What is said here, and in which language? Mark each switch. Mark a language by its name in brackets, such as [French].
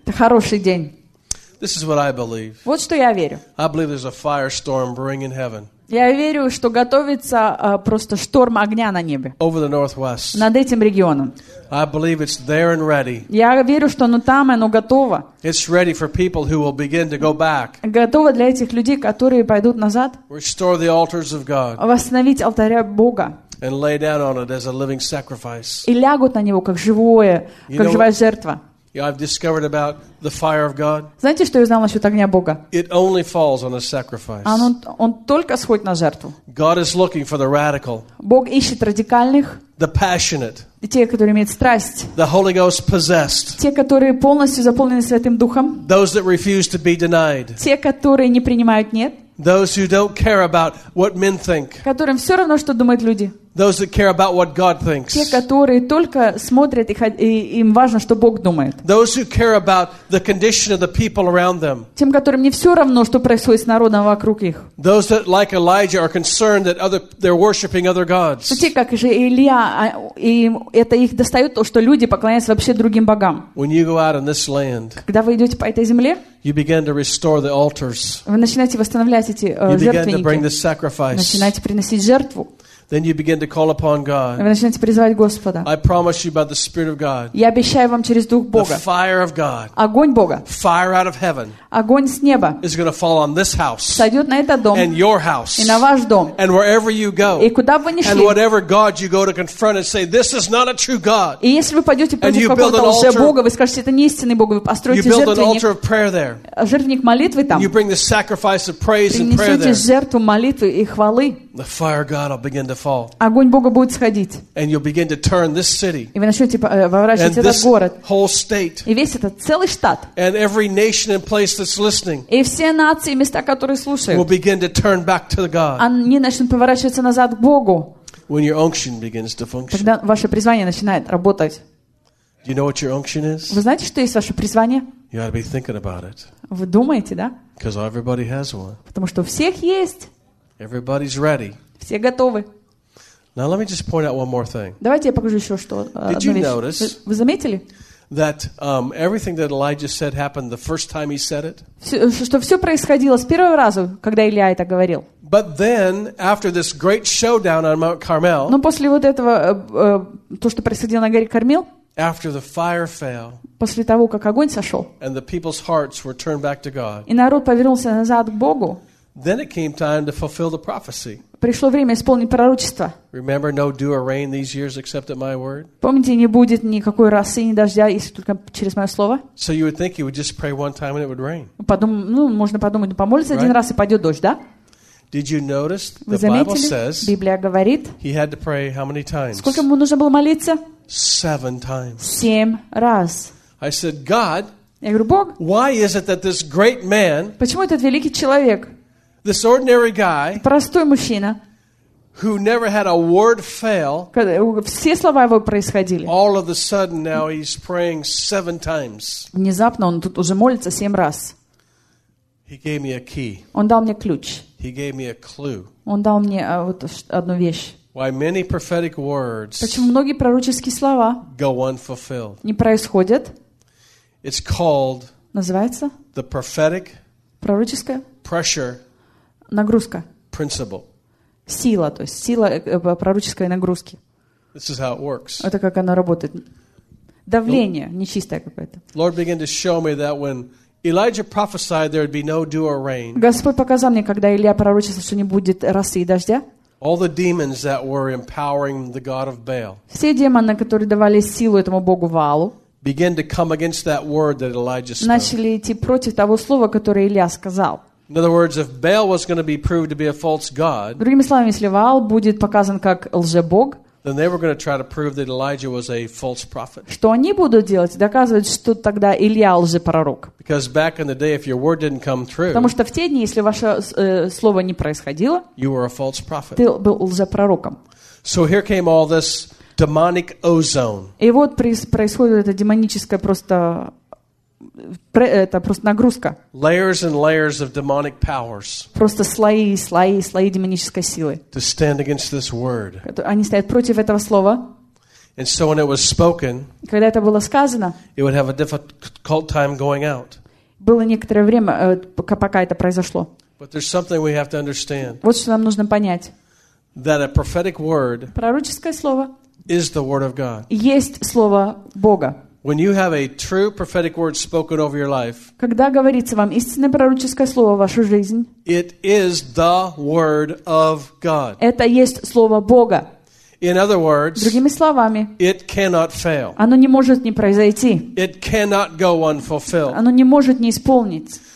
[Russian] Это хороший день. [English] This is what I believe. [Russian] Вот что я верю. [English] I believe there's a firestorm brewing in heaven. [Russian] Я верю, что готовится просто шторм огня на небе. [English] Over the Northwest. [Russian] Над этим регионом. [English] I believe it's there and ready. [Russian] Я верю, что оно там, оно готово. [English] It's ready for people who will begin to go back. [Russian] Готово для этих людей, которые пойдут назад. [English] Restore the altars of God. [Russian] Восстановить алтаря Бога. [English] And lay down on it as a living sacrifice. [Russian] И лягут на него как живое, как живая жертва. [English] I've discovered about the fire of God. [Russian] Знаете, что я узнал насчет огня Бога? [English] It only falls on a sacrifice. [Russian] Он только сходит на жертву. [English] God is looking for the radical. [Russian] Бог ищет радикальных. [English] The passionate. [Russian] Те, которые имеют страсть. [English] The Holy Ghost possessed. [Russian] Те, которые полностью заполнены Святым Духом. [English] Those that refuse to be denied. [Russian] Те, которые не принимают нет. [English] Those who don't care about what men think. [Russian] Которым все равно, что думают люди. [English] Those that care about what God thinks. [Russian] Те, которые только смотрят и им важно, что Бог думает. [English] Those who care about the condition of the people around them. [Russian] Тем, которым не все равно, что происходит с народом вокруг их. [English] Those that, like Elijah, are concerned that they're worshiping other gods. [Russian] Те, как же Илия, и это их достает то, что люди поклоняются вообще другим богам. [English] When you go out in this land. [Russian] Когда вы идете по этой земле. [English] You begin to restore the altars. [Russian] Вы начинаете восстанавливать эти жертвенники. [English] You begin to bring the sacrifice. [Russian] Начинаете приносить жертву. [English] Then you begin to call upon God. [Russian] Вы начинаете призывать Господа. [English] I promise you by the Spirit of God. [Russian] Я обещаю вам через Дух Бога. [English] The fire of God. [Russian] Огонь Бога. [English] Fire out of heaven. [Russian] Огонь с неба. [English] Is going to fall on this house. [Russian] Сойдет на этот дом. [English] And your house. [Russian] И на ваш дом. [English] And wherever you go. [Russian] И куда бы вы ни шли. [English] And whatever God you go to confront and say, "This is not a true God." [Russian] И если вы пойдете против какого-то лжебога, вы скажете, это не истинный Бог, вы построите жертвенник. [English] You build an altar of prayer there. [Russian] Жертвенник молитвы там. [English] You bring the sacrifice of praise and prayer there. [Russian] Принесете жертву молитвы и хвалы. [English] The fire of God will begin to fall. [Russian] Огонь Бога будет сходить. [English] And you'll begin to turn this city. [Russian] И вы начнете поворачивать [English] and [Russian] этот город. [English] Whole state. [Russian] И весь этот целый штат. [English] And every nation and place that's listening. [Russian] И все нации и места, которые слушают. [English] Will begin to turn back to God. [Russian] Они начнут поворачиваться назад к Богу. [English] When your unction begins to function. [Russian] Когда ваше призвание начинает работать. [English] Do you know what your unction is? [Russian] Вы знаете, что есть ваше призвание? [English] You ought to be thinking about it. [Russian] Вы думаете, да? [English] Because everybody has one. [Russian] Потому что у всех есть. [English] Everybody's ready. [Russian] Все готовы. [English] Now let me just point out one more thing. [Russian] Давайте я покажу еще что. [English] Did you notice? [Russian] Вы заметили? [English] that everything that Elijah said happened the first time he said it. [Russian] Что все происходило с первого раза, когда Илия это говорил. [English] But then, after this great showdown on Mount Carmel. [Russian] Но после вот этого то, что происходило на горе Кармел. [English] After the fire fell. [Russian] После того, как огонь сошел. [English] And the people's hearts were turned back to God. [Russian] И народ повернулся назад к Богу. [English] Then it came time to fulfill the prophecy. [Russian] Пришло время исполнить пророчество. [English] Remember, no dew or rain these years except at my word. [Russian] Помните, не будет никакой росы, ни дождя, если только через мое слово. [English] So you would think you would just pray one time and it would rain. [Russian] Можно подумать, помолиться один раз и пойдет дождь, да? [English] Did you notice the Bible says? [Russian] Библия говорит. [English] He had to pray how many times? [Russian] Сколько ему нужно было молиться? [English] 7 times. [Russian] 7 раз. [English] I said, God. [Russian] Я говорю, Бог. [English] Why is it that this great man? [Russian] Почему этот великий человек? [English] This ordinary guy, [Russian] простой мужчина, [English] who never had a word fail, [Russian] все слова его происходили. [English] All of a sudden, now he's praying 7 times. [Russian] Внезапно он тут уже молится 7 раз. [English] He gave me a key. [Russian] Он дал мне ключ. [English] He gave me a clue. [Russian] Он дал мне вот одну вещь. [English] Why many prophetic words? [Russian] Почему многие пророческие слова [English] go unfulfilled? [Russian] Не происходят. [English] It's called. [Russian] Называется? [English] The prophetic. [Russian] Пророческая. [English] Pressure. [Russian] Нагрузка. [English] Principle. [Russian] Сила, то есть сила пророческой нагрузки. [English] This is how it works. [Russian] Это как оно работает. Давление нечистое какое-то. [English] Lord began to show me that when Elijah prophesied there would be no dew or rain. [Russian] Господь показал мне, когда Илия пророчествовал, что не будет росы и дождя. [English] All the demons that were empowering the god of Baal. [Russian] Все демоны, которые давали силу этому богу Ваалу. [English] Began to come against that word that Elijah spoke. [Russian] Начали идти против того слова, которое Илия сказал. [English] In other words, if Baal was going to be proved to be a false god, [Russian] другими словами, если Ваал будет показан как лжебог, [English] then they were going to try to prove that Elijah was a false prophet. [Russian] Что они будут делать? Доказывать, что тогда Илия лжепророк. [English] Because back in the day, if your word didn't come true, [Russian] потому что в те дни, если ваше слово не происходило, [English] you were a false prophet. [Russian] Ты был лжепророком. [English] So here came all this demonic ozone. [Russian] И вот происходит это демоническое просто. Это просто нагрузка. [English] Layers and layers of demonic powers. [Russian] Просто слои и слои и слои демонической силы. [English] To stand against this word. [Russian] Они стоят против этого слова. [English] And so when it was spoken, [Russian] когда это было сказано, [English] it would have a difficult time going out. [Russian] Было некоторое время, пока это произошло. [English] But there's something we have to understand. [Russian] Вот что нам нужно понять. [English] That a prophetic word, [Russian] пророческое слово, [English] is the word of God. [Russian] Есть слово Бога. [English] When you have a true prophetic word spoken over your life, [Russian] когда говорится вам истинное пророческое слово в вашу жизнь, [English] it is the word of God. [Russian] Это есть слово Бога. [English] In other words, [Russian] другими словами, [English] it cannot fail. [Russian] Оно не может не произойти. [English] It cannot go unfulfilled. [Russian] Оно не может не исполниться.